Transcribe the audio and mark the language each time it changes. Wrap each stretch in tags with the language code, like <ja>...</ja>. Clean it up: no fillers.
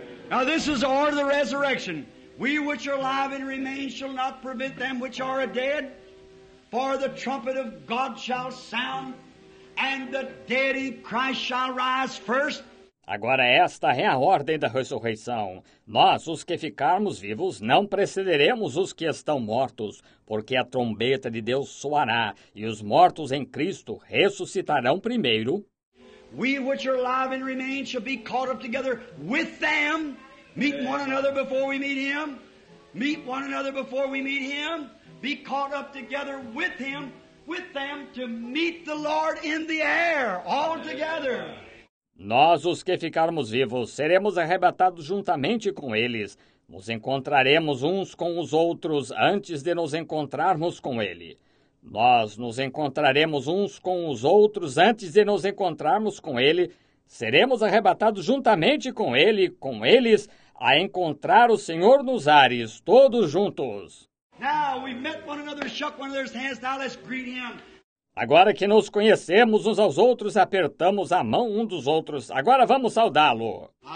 <en>Now this is the order of the resurrection. We which are alive and remain shall not prevent them which are dead. For the trumpet of God shall sound. And the dead in Christ shall rise first.</en> <pt>Agora esta é a ordem da ressurreição. Nós, os que ficarmos vivos, não precederemos os que estão mortos, porque a trombeta de Deus soará, e os mortos em Cristo ressuscitarão primeiro.</pt> <en>We which are alive and remain shall be caught up together with them, meet one another before we meet him, meet one another before we meet him, be caught up together with them to meet the Lord in the air, all together.</en> <pt>Nós, os que ficarmos vivos, seremos arrebatados juntamente com eles. Nos encontraremos uns com os outros antes de nos encontrarmos com Ele. Nós nos encontraremos uns com os outros antes de nos encontrarmos com Ele. Seremos arrebatados juntamente com Ele, com eles, a encontrar o Senhor nos ares, todos juntos.</pt> <en>Now we met one another, shook one another's hands, now let's greet him.</en> <pt>Agora que nos conhecemos uns aos outros, apertamos a mão um dos outros. Agora vamos saudá-lo.</pt>